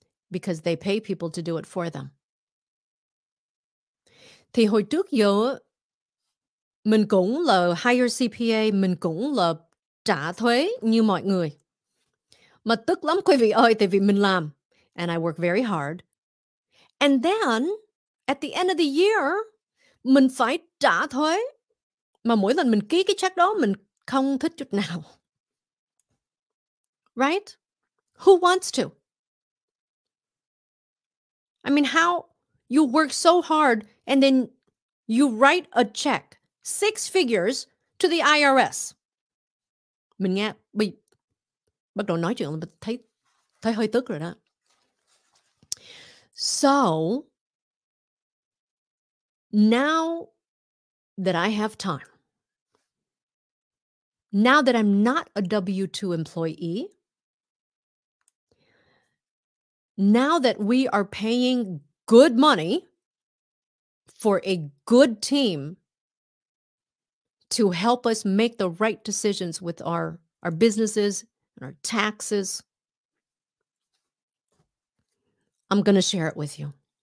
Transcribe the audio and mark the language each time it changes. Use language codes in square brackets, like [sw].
[en] Because they pay people to do it for them. [vi] Thì hồi trước giờ, mình cũng là hire CPA, mình cũng là trả thuế như mọi người. Mà tức lắm quý vị ơi, tại vì mình làm. [en] And I work very hard. And then, at the end of the year, [vi] mình phải trả thuế. Mà mỗi lần mình ký cái check đó, mình không thích chút nào. [en] Right? Who wants to? I mean, how you work so hard and then you write a check, six figures, to the IRS. [vi] Mình nghe, bắt đầu nói chuyện, mình thấy hơi tức rồi đó. [en] So, now that I have time, now that I'm not a W-2 employee, now that we are paying good money for a good team to help us make the right decisions with our businesses and our taxes, I'm going to share it with you.